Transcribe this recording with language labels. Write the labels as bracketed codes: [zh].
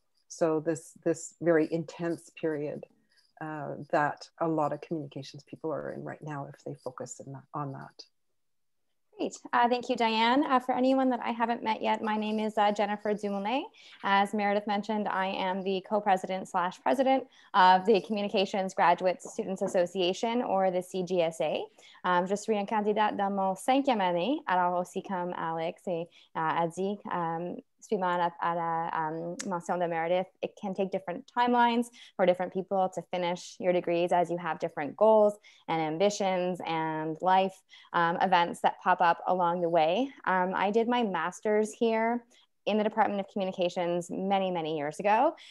[en] So this very intense period that a lot of communications people are in right now, if they focus on that. Great. Thank you, Diane. For anyone that I haven't met yet, my name is Jennifer DuMoulin. As Meredith mentioned, I am the co-president slash president of the Communications Graduate Students Association, or the CGSA. [fr] Je suis un candidat dans mon cinquième année, alors aussi comme Alex et Adzik. Suivant à la mention de Meredith, [en] it can take different timelines for different people to finish your degrees as you have different goals and ambitions and life events that pop up along the way. I did my master's here in the Department of Communications many, many years ago.